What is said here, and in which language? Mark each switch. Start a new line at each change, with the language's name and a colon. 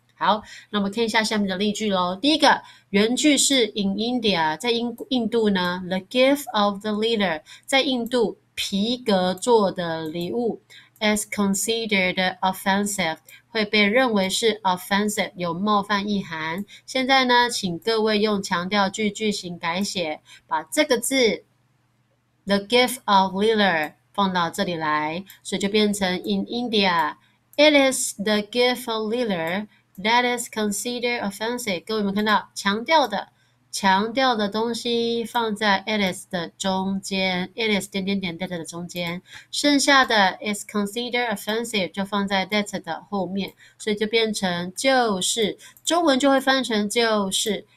Chinese: 好，那我们看一下下面的例句喽。第一个原句是
English: in India，
Chinese: 在印度呢，
English: the gift of the leader，
Chinese: 在印度皮革做的礼物
English: is considered offensive，
Chinese: 会被认为是 offensive，有冒犯意涵。现在呢，请各位用强调句句型改写，把这个字
English: the gift of leader。
Chinese: 放到这里来，所以就变成
English: In India, it is the gift of leader that is considered offensive。
Chinese: 各位有没有看到强调的东西放在 it is 的中间，it is 点点点 that 的中间，剩下的
English: is considered offensive
Chinese: 就放在 that 的后面，所以就变成就是，中文就会翻成就是。